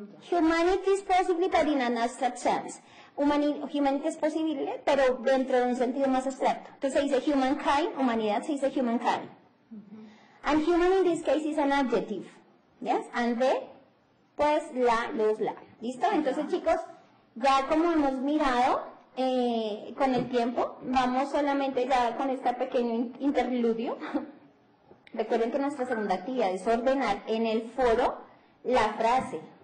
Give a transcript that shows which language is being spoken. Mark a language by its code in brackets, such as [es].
[es] Humanity is possible, but in an abstract sense. Humanity es posible, pero dentro de un sentido más abstracto. Entonces se dice humankind, humanidad, se dice humankind. Uh-huh. [en] And human in this case is an adjective. Yes? And the, [es] pues, la, los, la. ¿Listo? Entonces, chicos, ya como hemos mirado con el tiempo, vamos solamente ya con este pequeño interludio. Recuerden que nuestra segunda actividad es ordenar en el foro la frase.